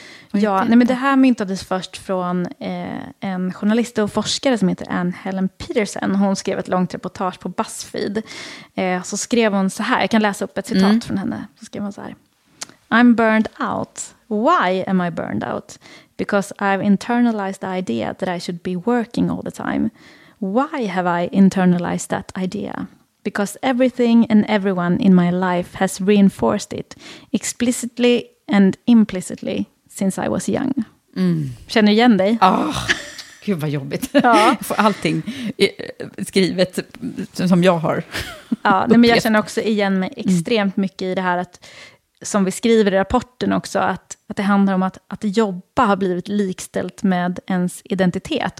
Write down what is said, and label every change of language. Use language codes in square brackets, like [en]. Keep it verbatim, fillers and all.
[sv] Ja, nej, men det här myntades först från eh, en journalist och forskare som heter Anne Helen Peterson. Hon skrev ett långt reportage på BuzzFeed. Eh, så skrev hon så här, jag kan läsa upp ett citat mm. från henne. Så skrev hon så här. [en] I'm burned out. Why am I burned out? Because I've internalized the idea that I should be working all the time. Why have I internalized that idea? Because everything and everyone in my life has reinforced it explicitly and implicitly. Since I was young. [sv] Mm. Känner du igen dig? Oh, gud vad jobbigt. Ja. Jag får allting skrivet som jag har. Ja, nej, men jag känner också igen mig extremt mycket i det här att, som vi skriver i rapporten också, att, att det handlar om att, att jobba har blivit likställt med ens identitet.